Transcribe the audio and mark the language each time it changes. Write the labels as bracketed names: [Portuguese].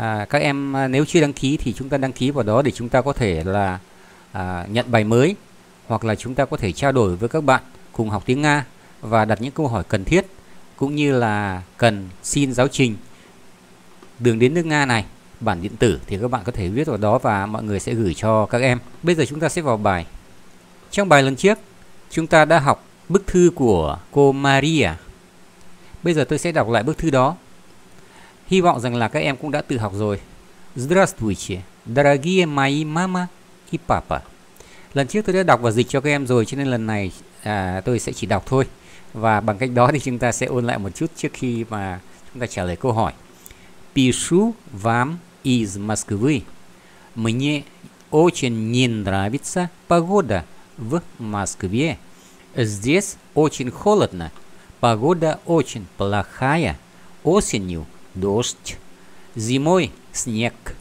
[Vietnamese] Các em nếu chưa đăng ký thì chúng ta đăng ký vào đó để chúng ta có thể là nhận bài mới, hoặc là chúng ta có thể trao đổi với các bạn cùng học tiếng Nga và đặt những câu hỏi cần thiết, cũng như là cần xin giáo trình đường đến nước Nga này bản điện tử thì các bạn có thể viết vào đó và mọi người sẽ gửi cho các em. Bây giờ chúng ta sẽ vào bài. Trong bài lần trước chúng ta đã học bức thư của cô Maria. Bây giờ tôi sẽ đọc lại bức thư đó. Hy vọng rằng là các em cũng đã tự học rồi. [Russian] Здравствуйте, дорогие мои мама и папа. [Vietnamese] Lần trước tôi đã đọc và dịch cho các em rồi, cho nên lần này tôi sẽ chỉ đọc thôi. Và bằng cách đó thì chúng ta sẽ ôn lại một chút trước khi mà chúng ta trả lời câu hỏi. [Russian] Пишу вам из Москвы. Мне очень не нравится погода в Москве. Здесь очень холодно. Погода очень плохая. Осенью дождь. Зимой снег.